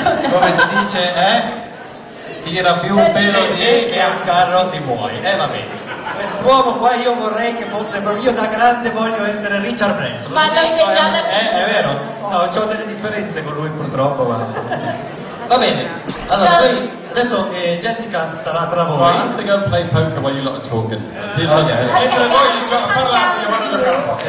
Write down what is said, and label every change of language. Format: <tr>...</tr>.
<it>Come si dice, Tira più un pelo di E che un carro di buoi. Va bene. Quest'uomo qua io vorrei che fosse, proprio io da grande voglio essere Richard Branson. Ma non sei già da È vero, no, c'ho delle differenze con lui purtroppo, ma... Va bene, allora noi, adesso Jessica sarà tra voi.</it> <en>Well, I'm going to play poker while you lot are talking.</en> <it>Mentre voi parlate, io vado a giocare a poker.</it>